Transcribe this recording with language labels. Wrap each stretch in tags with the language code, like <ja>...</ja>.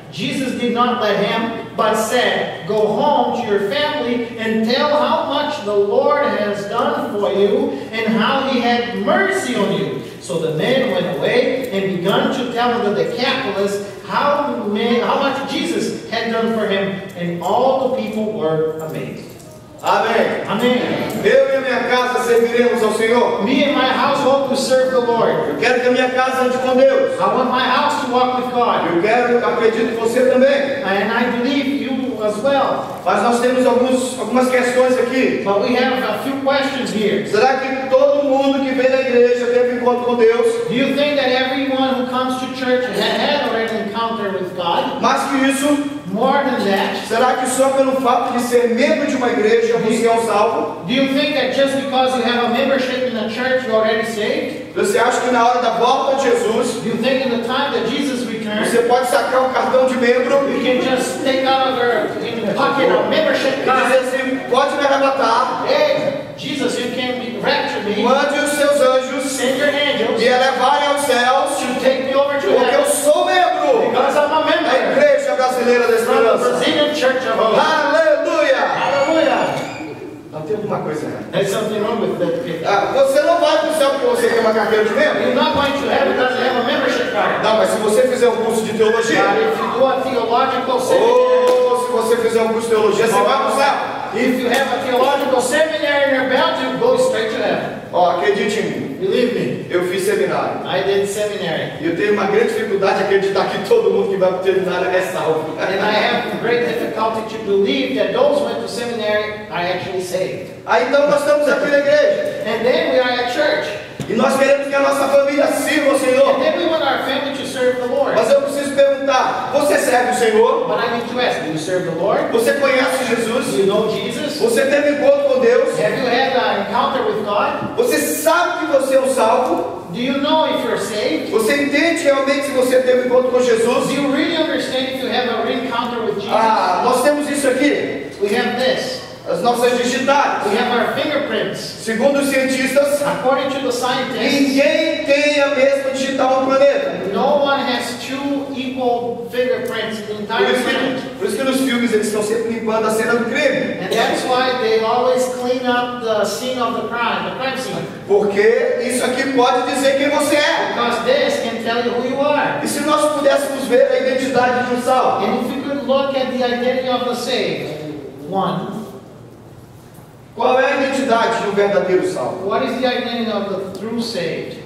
<en>Jesus did not let him, but said, "Go home to your family and tell how much the Lord has done for you and how he had mercy on you." So the man went away and began to tell the Decapolis how much Jesus had done for him, and all the people were amazed.</en> <pt>Amém. Amém. Eu e a minha casa serviremos ao Senhor.</pt> <en>Me and my household will serve the Lord.</en> <pt>Eu quero que a minha casa ande com Deus.</pt> <en>I want my house to walk with God.</en> <pt>Eu quero, acredito você também.</pt> <en>And I believe you as well.</en> <pt>Mas nós temos algumas questões aqui.</pt> <en>But we have a few questions here.</en> <pt>Será que todo mundo que vem na igreja teve um encontro com Deus?</pt> <en>Do you think that everyone who comes to church has had an encounter with God?</en> <pt>Mais que isso.</pt> <en>More than that,</en> <pt>será que só pelo fato de ser membro de uma igreja você é um salvo?</pt> <en>Do you think that just because you have a membership in a church you're already saved?</en> <pt>Você acha que na hora da volta de Jesus,</pt> <en>do you think in the time that Jesus returns,</en> <pt>você pode sacar um cartão de membro?</pt> <en>You can just take out of your pocket a membership card.</en> <pt>E dizer assim, pode me arrebatar?</pt> <en>Hey, Jesus, you can rapture me.</en> <pt>Mande os seus anjos,</pt> <en>send your angels,</en> <pt>me elevar aos céus,</pt> <en>to take me over to</en> <pt>porque Eu sou membro.</pt> <en>Because I'm a member.</en> <pt>A igreja brasileira da esperança. Aleluia! Aleluia! Mas tem alguma coisa errada.</pt> <en>There's something wrong with that.</en> <pt>Você não vai para o céu porque você tem uma carteira de membro.</pt> <en>You're not going to heaven because you have a membership card.</en> <pt>Não, mas se você fizer um curso de teologia.</pt> <en>But if you do a theological seminary. Oh.</en> <pt>fizer um curso de teologia, você vai usar.</pt> <en>If you have a theological seminary in your belt, you go straight to heaven.</en> <pt>Oh, acredite em mim.</pt> <en>Believe me.</en> <pt>Eu fiz seminário.</pt> <en>I did seminary.</en> <pt>E eu tenho uma grande dificuldade de acreditar que todo mundo que vai para o seminário é salvo.</pt> <en>And I have great difficulty to believe that those who went to seminary are actually saved.</en> <pt>Aí então nós estamos aqui na igreja.</pt> <en>And then we are at church.</en> <pt>E nós queremos que a nossa família sirva o Senhor.</pt> <en>And then we want our family to serve the Lord.</en> <pt>Mas eu preciso perguntar, você serve o Senhor?</pt> <en>But I need to ask, do you serve the Lord?</en> <pt>Você conhece Jesus?</pt> <en>Do you know Jesus?</en> <pt>Você teve encontro com Deus?</pt> <en>Have you had an encounter with God?</en> <pt>Você sabe que você é um salvo?</pt> <en>Do you know if you're saved?</en> <pt>Você entende realmente se você teve encontro com Jesus?</pt> <en>Do you really understand if you have a re-encounter with Jesus?</en> <pt>Ah, nós temos isso aqui.</pt> <en>We have this.</en> <pt>As nossas digitais.</pt> <en>We have our fingerprints.</en> <pt>Segundo os cientistas,</pt> <en>according to the scientists,</en> <pt>ninguém tem a mesma digital no planeta.</pt> <en>No one has two equal fingerprints in the entire planet.</en> <pt>Por isso que nos filmes eles estão sempre limpando a cena do crime.</pt> <en>And that's why they always clean up the scene of the crime scene.</en> <pt>Porque isso aqui pode dizer quem você é.</pt> <en>Because this can tell you who you are.</en> <pt>E se nós pudéssemos ver a identidade de um salvo?</pt> <en>And if we could look at the identity of the saved one.</en> <pt>Qual é a identidade do verdadeiro salvo?</pt> <en>What is the identity of the true saved?</en>